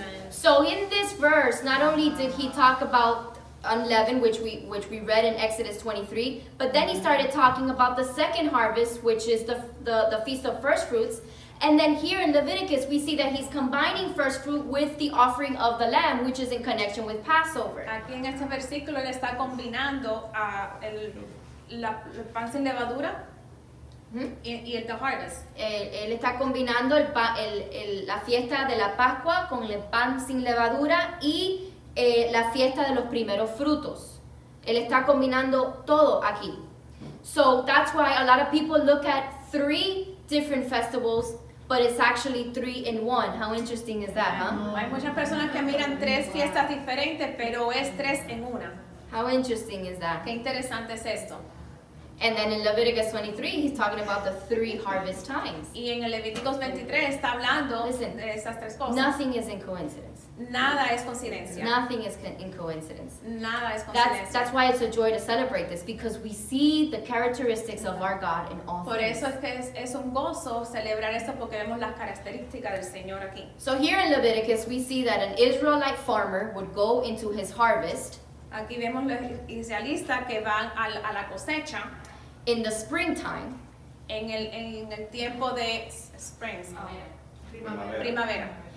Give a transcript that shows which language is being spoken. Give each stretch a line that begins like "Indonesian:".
English: So in this verse, not only did he talk about unleavened, which we read in Exodus 23, but then he started talking about the second harvest, which is the Feast of First Fruits. And then here in Leviticus, we see that he's combining first fruit with the offering of the lamb, which is in connection with Passover.
Spanish: Aquí en este versículo le está combinando el pan sin levadura y el harvest. Él está combinando la fiesta de la Pascua con el pan sin levadura y la fiesta de los primeros frutos. Él está combinando todo aquí.
English: So that's why a lot of people look at three different festivals, but it's actually three in one. How interesting is that, huh?
Spanish: Hay muchas personas que miran tres fiestas diferentes, pero es tres en una.
English: How interesting is that?
Spanish: Qué interesante es esto.
English: And then in Leviticus 23, he's talking about the three harvest times.
Spanish: Y en el Levítico 23 está hablando de esas tres cosas.
English: Nothing is in coincidence.
Spanish: Nada es coincidencia.
English: Nothing is in coincidence.
Spanish: Nada es coincidencia.
English: That's why it's a joy to celebrate this, because we see the characteristics of our God in all
Spanish: Por Por eso es que es un gozo celebrar esto, porque vemos las características del Señor aquí.
English: So here in Leviticus, we see that an Israelite farmer would go into his harvest.
Spanish: Aquí vemos los israelitas que van a la cosecha.
English: In the springtime.
Spanish: En el tiempo de spring. Primavera.